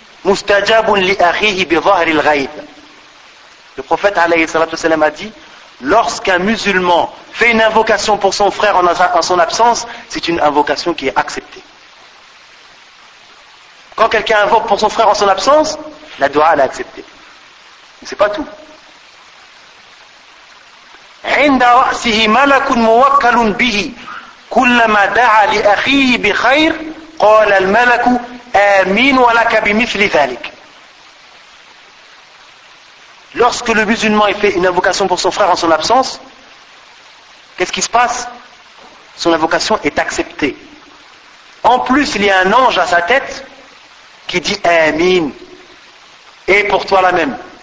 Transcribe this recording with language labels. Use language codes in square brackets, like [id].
[ar] مستجاب لأخيه بظهر الغيب. [fr] Le prophète alayhi salatu wasalam a dit, lorsqu'un musulman fait une invocation pour son frère en son absence, c'est une invocation qui est acceptée. Quand quelqu'un invoque pour son frère en son absence, la dua elle est acceptée. Mais c'est pas tout. [ar] عند رأسه ملك موكل به كلما دعا لأخيه بخير قال الملك Amin wa laka bimithli thalik. [fr] Lorsque le musulman fait une invocation pour son frère en son absence, qu'est-ce qui se passe? Son invocation est acceptée. En plus, il y a un ange à sa tête qui dit Amin. Et pour toi la même.